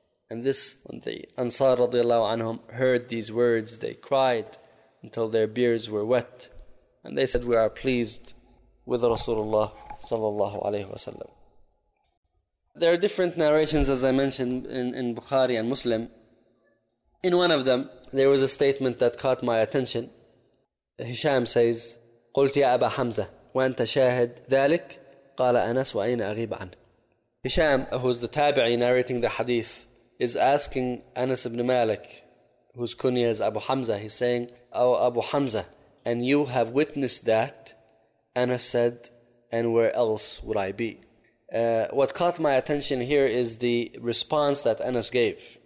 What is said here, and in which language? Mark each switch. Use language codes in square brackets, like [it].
[en] And this, when the Ansar radiallahu anhum heard these words, they cried until their beards were wet. And they said, we are pleased with Rasulullah sallallahu alayhi wa sallam. There are different narrations, as I mentioned, in Bukhari and Muslim. In one of them, there was a statement that caught my attention. Hisham says, [ar] قلت يا أبا حمزة وأنت شاهد ذلك قال أنس وأين أغيب عنه. [en] Hisham, who is the tabi'i narrating the hadith, is asking Anas ibn Malik, whose kunya is Abu Hamza. He's saying, oh Abu Hamza, and you have witnessed that? Anas said, and where else would I be? What caught my attention here is the response that Anas gave.